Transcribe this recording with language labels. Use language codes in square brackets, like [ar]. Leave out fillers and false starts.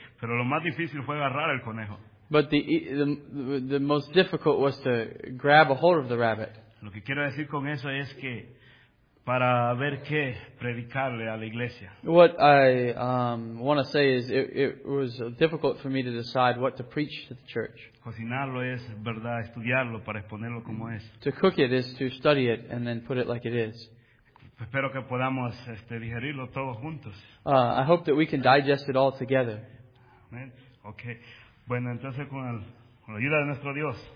[es] Pero lo más difícil fue agarrar el conejo. [en] But the most difficult was to grab a hold of the rabbit. [es] Lo que quiero decir con eso es que para ver qué predicarle a la iglesia. [en] What I want to say is it was difficult for me to decide what to preach to the church. [es] Cocinarlo es, verdad, estudiarlo para exponerlo como es. [en] To cook it is to study it and then put it like it is. [es] Espero que podamos digerirlo todos juntos. [en] I hope that we can digest it all together. Okay. [es] Bueno, entonces con la ayuda de nuestro Dios.